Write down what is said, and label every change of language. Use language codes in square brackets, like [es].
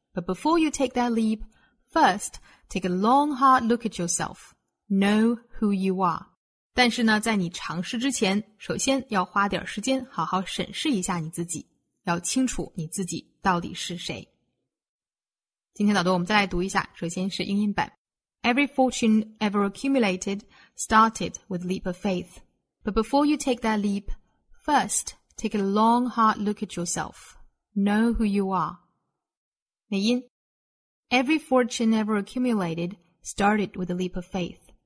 [en] But before you take that leap, first, take a long, hard look at yourself. Know who you are. [zh] 但是呢，在你尝试之前，首先要花点时间好好审视一下你自己，要清楚你自己到底是谁。今天导读我们再来读一下，首先是英音版。 [en] Every fortune ever accumulated started with a leap of faith. But before you take that leap, first, take a long, hard look at yourself. Know who you are. [zh] 美音。 [en] Every fortune ever accumulated started with a leap of faith.